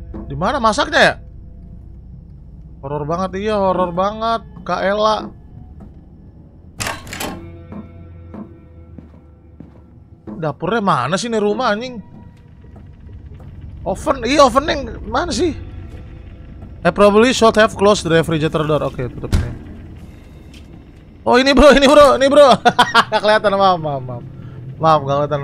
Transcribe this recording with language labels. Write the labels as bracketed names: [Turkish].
[Indonesian] Dimana masaknya ya? Horor banget, iya horor banget. Kak Ella. Dapurnya mana sih nih rumah, anjing? Oven, iya ovennya mana sih? [English] I probably should have closed the refrigerator door. [Indonesian] Oke, okay, tutup ini. Oh ini bro. Gak kelihatan, maaf gak kelihatan.